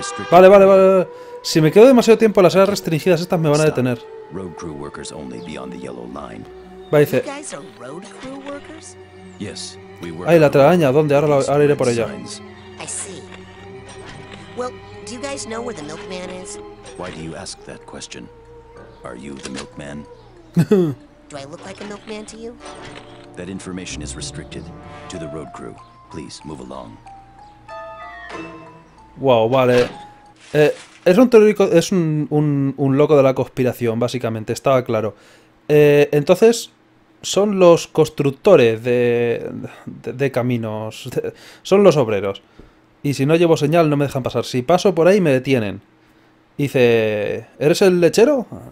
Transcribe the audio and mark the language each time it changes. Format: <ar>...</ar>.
<es>Vale. Si me quedo demasiado tiempo en las áreas restringidas, estas me van a detener.</es> <en>Road crew workers only beyond the yellow line.</en> <es>Va, dice.</es> <en>You guys are road crew workers? Yes, we were. Ay, la telaraña, ¿dónde? Ahora iré por ella. I see. Well, do you guys know where the milkman is? Why do you ask that question? Are you the milkman? Do I look like a milkman to you? That information is restricted to the road crew. Please move along.</en> <es>Wow, vale. Es un teórico, es un loco de la conspiración, básicamente, estaba claro. Entonces, son los constructores de caminos, son los obreros. Y si no llevo señal, no me dejan pasar. Si paso por ahí, me detienen. Dice, ¿eres el lechero?</es>